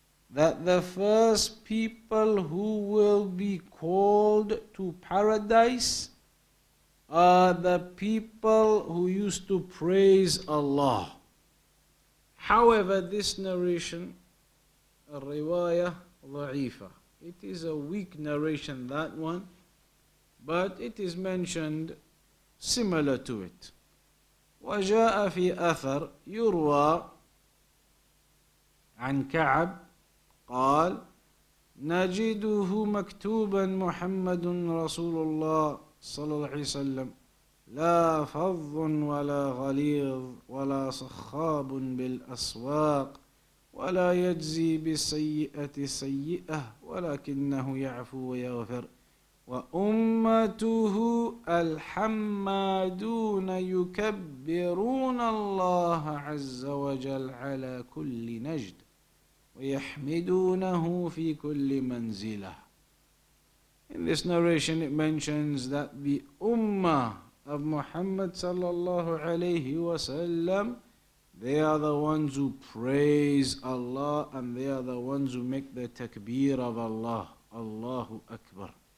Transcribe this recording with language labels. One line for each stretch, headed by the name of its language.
English: That the first people who will be called to paradise are the people who used to praise Allah. However, this narration,
Arabic: الرِّوَايَة ضَعِيفَة,
English: it is a weak narration, that one, but it is mentioned similar to it.
Arabic: وَجَاءَ فِي أَثَرْ يُرْوَى عَنْ كَعَبْ قَالْ نَجِدُهُ مَكْتُوبًا مُحَمَّدٌ رَسُولُ اللَّهِ صَلَى اللَّهِ وَسَلَّمْ لَا فَضٌّ وَلَا غَلِيظٌ وَلَا صَخَّابٌ بِالْأَسْوَاقِ ولا يجزي بالسيئة سيئة ولكنه يعفو ويغفر وأمته الحمادون يكبرون الله عز وجل على كل نجد ويحمدونه في كل منزلة.
English: In this narration it mentions that the ummah of Muhammad
Arabic: صلى الله عليه وسلم,
English: they are the ones who praise Allah and they are the ones who make the takbir of Allah, Allahu Akbar.